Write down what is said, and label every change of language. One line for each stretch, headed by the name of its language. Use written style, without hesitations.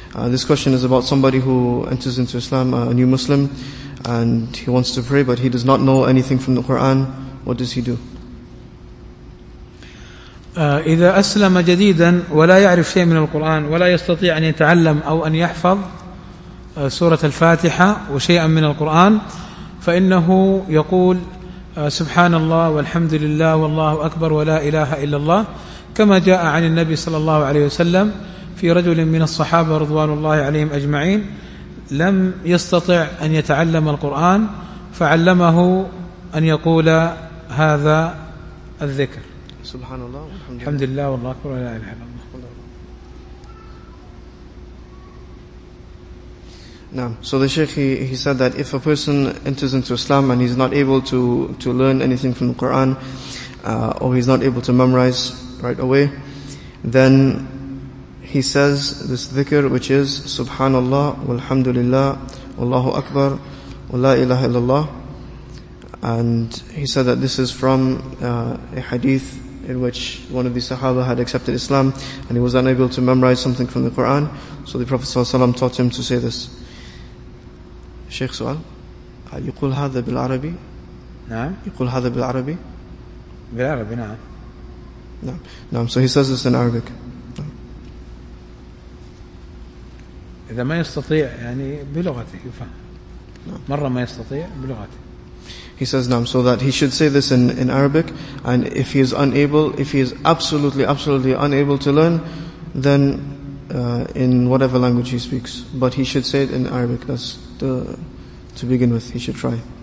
English: This question is about somebody who enters into Islam, a new Muslim, and he wants to pray but he does not know anything from the Quran. What does he do?
Arabic: إذا أسلم جديدا ولا يعرف شيء من القرآن ولا يستطيع أن يتعلم أو أن يحفظ سورة الفاتحة وشيئا من القرآن، فإنه يقول سبحان الله والحمد لله والله أكبر ولا إله إلا الله، كما جاء عن النبي صلى الله عليه وسلم في رجل من الصحابة رضوان الله عليهم أجمعين لم يستطع أن يتعلم القرآن فعلمه أن يقول هذا الذكر سبحان الله والحمد لله. الحمد لله والله أكبر ولا إله إلا الله. نعم.
English: So the Sheikh he said that if a person enters into Islam and he's not able to learn anything from the Quran, or he's not able to memorize right away. Then he says this dhikr, which is Subhanallah, walhamdulillah, Allahu Akbar, wa la ilaha illallah. And he said that this is from a hadith in which one of the Sahaba had accepted Islam and he was unable to memorize something from the Quran. So the Prophet ﷺ taught him to say this.
Arabic: Sheikh Sual, يقول هذا بالعربي؟ نعم. يقول هذا بالعربي؟ بالعربي نعم. نعم. نعم.
English: So he says this in Arabic.
Arabic: إذا ما يستطيع يعني بلغته يفهم. نعم. مرة ما يستطيع بلغته.
English: He says
Arabic: نعم.
English: So that he should say this in Arabic, and if he is unable, if he is absolutely unable to learn, then in whatever language he speaks, but he should say it in Arabic. That's to begin with, he should try.